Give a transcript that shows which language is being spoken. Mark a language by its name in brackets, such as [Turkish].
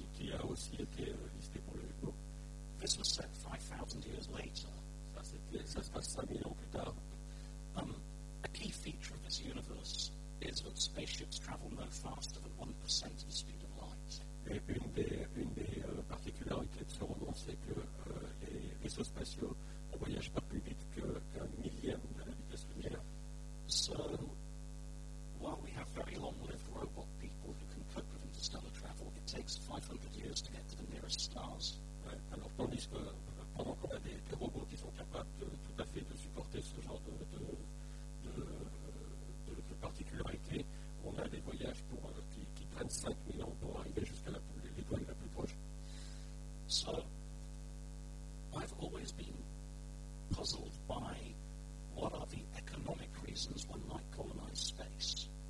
[French] Qui a aussi été listé pour le Hugo. [English] This was set 5,000 years later. [French] Ça, c'était, ça se passe 5,000 ans plus tard. [English] A key feature of this universe is that spaceships travel no faster than 1% of the speed of light. [French] Et une des particularités de ce roman, c'est que les vaisseaux spatiaux ne voyagent pas plus vite que, qu'un millième de la vitesse lumière. [English] So, while we have very long-lived robot people who can cope with interstellar travel, it takes 500 years to get to the nearest stars. [French] Alors, tandis que pendant qu'on a des robots qui sont capables de, tout à fait de supporter ce genre de particularité, on a des voyages pour, qui prennent 5000 ans pour arriver jusqu'à l'étoile la plus proche. [English] So, I've always been puzzled by what are the economic reasons one might colonize space.